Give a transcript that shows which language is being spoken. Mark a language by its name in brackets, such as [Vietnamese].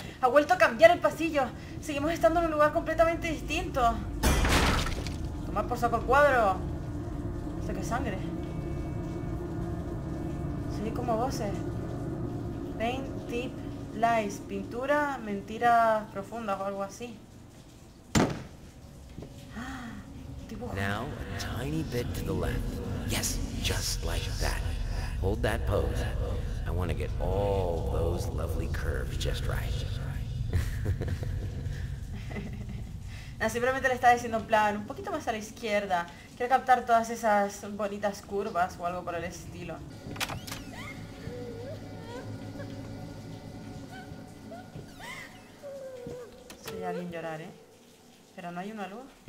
[Spanish] Ha vuelto a cambiar el pasillo. Seguimos estando en un lugar completamente distinto. Tomar por saco el cuadro. Esto que sangre. Se oye como voces. [English] Paint deep lies. [Spanish] Pintura, mentiras profundas o algo así. [English] Now a tiny bit to the left. Yes, just like that. Hold that pose. I want to get all those lovely curves just right. [Spanish] No, simplemente le estaba diciendo en plan un poquito más a la izquierda. Quiero captar todas esas bonitas curvas o algo por el estilo. Se oye alguien llorar, ¿eh? Pero no hay una luz.